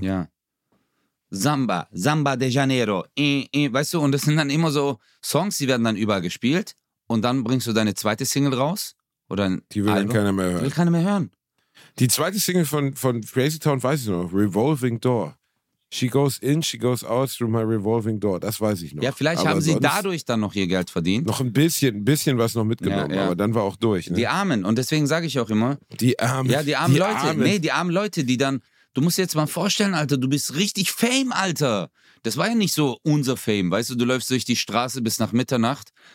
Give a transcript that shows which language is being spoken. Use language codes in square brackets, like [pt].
[de] Ja. Samba de Janeiro. Weißt du, und das sind dann immer so Songs, die werden dann überall gespielt und dann bringst du deine zweite Single raus oder ein Album. Die will dann keiner mehr hören. Die zweite Single von Crazy Town weiß ich noch, Revolving Door. [en] She goes in, she goes out through my revolving door. [de] Das weiß ich noch. Ja, vielleicht aber haben sie dadurch dann noch ihr Geld verdient. Noch ein bisschen was noch mitgenommen, ja, ja. Aber dann war auch durch. Ne? Die Armen, und deswegen sage ich auch immer. Die Armen. Ja, die armen die Leute. Armen. Nee, die armen Leute, die dann, du musst dir jetzt mal vorstellen, Alter, du bist richtig Fame, Alter. Das war ja nicht so unser Fame, weißt du, du läufst durch die Straße bis nach Mitternacht.